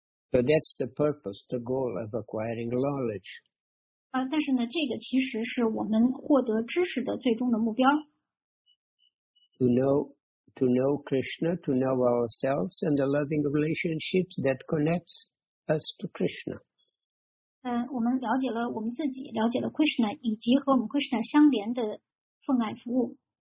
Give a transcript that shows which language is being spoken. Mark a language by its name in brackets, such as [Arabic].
[English] So that's the purpose, the goal of acquiring knowledge. [Chinese] 但是呢，这个其实是我们获得知识的最终的目标。 [English] To know Krishna, to know ourselves, and the loving relationships that connects us to Krishna. [Chinese] 我们了解了我们自己，了解了 Krishna 以及和我们 Krishna 相连的奉爱服务。